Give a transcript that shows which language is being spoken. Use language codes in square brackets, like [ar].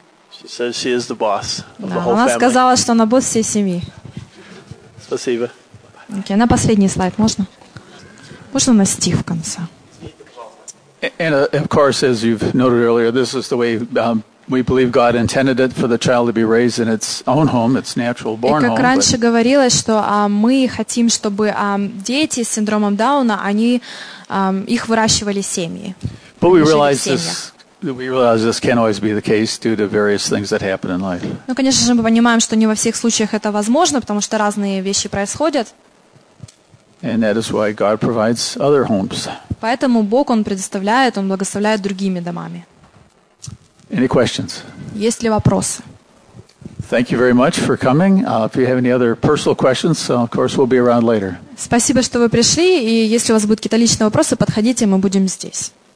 [en] She says she is the boss of the whole family. [ru] Она сказала, что она босс всей семьи. Спасибо. Окей, на последний слайд можно? Можно на стих в конце. [en] And of course, as you've noted earlier, this is the way we believe God intended it for the child to be raised in its own home, its natural born home. [ru] И как раньше говорилось, что мы хотим, чтобы дети с синдромом Дауна, они их выращивали семьи. [en] But we realize this can't always be the case due to various things that happen in life. [ru] Ну, конечно же, мы понимаем, что не во всех случаях это возможно, потому что разные вещи происходят. [en] And that is why God provides other homes. [ru] Поэтому Бог, Он предоставляет, Он благословляет другими домами. [en] Any questions? [ru] Есть ли вопросы? [en] Thank you very much for coming. If you have any other personal questions, of course, we'll be around later. [ru] Спасибо, что вы пришли, и если у вас будут какие-то личные вопросы, подходите, мы будем здесь.